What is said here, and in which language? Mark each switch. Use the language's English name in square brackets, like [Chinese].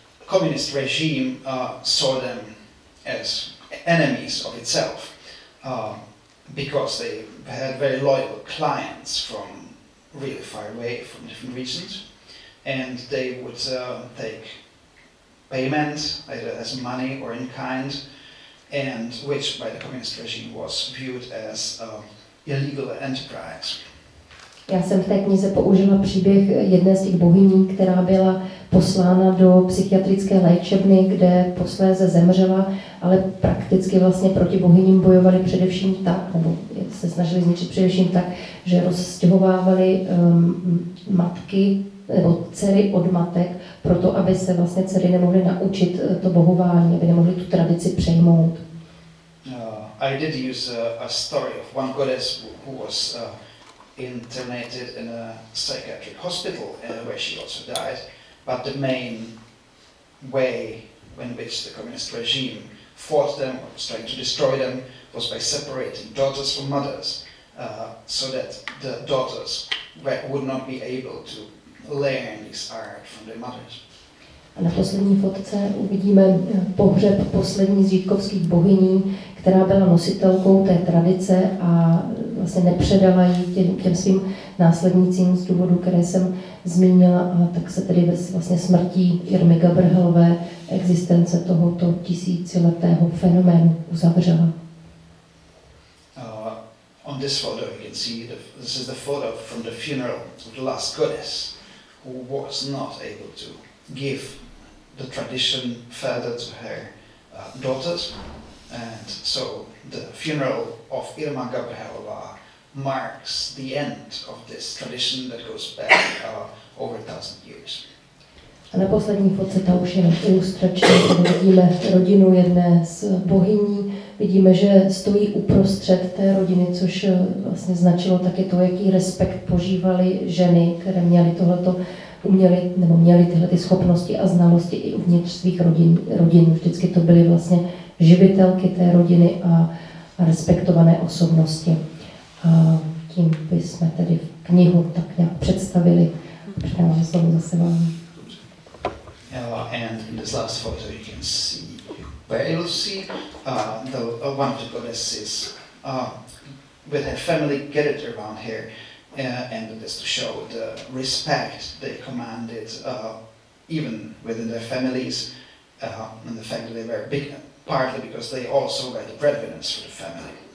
[English] Communist regime saw them as enemies of itself because they had very loyal clients from really far away, from different regions, and they would take payment either as money or in kind, and which by the communist regime was viewed as illegal enterprise. [Czech] Já jsem v té knize použila příběh jedné z těch bohyní, která byla poslána do psychiatrické léčebny, kde posléze zemřela, ale prakticky vlastně proti bohyním bojovali především tak, nebo se snažili zničit především tak, že rozstěhovávali matky nebo dcery od matek pro to, aby se vlastně dcery nemohly naučit to bohování, aby nemohly tu tradici přejmout. [English] I did use a story of one goddess who was internated in a psychiatric hospital where she also died. But the main way in which the communist regime fought them or was trying to destroy them was by separating daughters from mothers so that the daughters would not be able to learn this art from their mothers. [Czech] A na poslední fotce uvidíme pohřeb poslední z žítkovských bohyní, která byla nositelkou té tradice a vlastně nepředala ji těm svým následnicím z důvodu, které jsem zmínila, a tak se tedy vlastně smrtí Irmy Gabrhelové existence tohoto tisícletého fenoménu uzavřela. [English] On this photo you can see, this is the photo from the funeral of the last goddess, who was not able to give the tradition further to her daughters. And so the funeral of Irma Gabrhelová marks the end of this tradition that goes back over 1,000 years. [Czech] A na poslední fotce ta už je ilustrační, vidíme rodinu jedné z bohyní. Vidíme, že stojí uprostřed té rodiny, což vlastně značilo taky to, jaký respekt požívaly ženy, které měly tohleto měli tyhle ty schopnosti a znalosti i uvnitř svých rodin. Vždycky to byly vlastně živitelky té rodiny a respektované osobnosti. A tím bychom tedy knihu tak nějak představili. Předávám slovo zase vám. [English] And in this last photo you can see, one of the goddesses with her family gathered around here. And this to show the respect they commanded even within their families and the fact that they were big, partly because they also were the breadwinners for the family.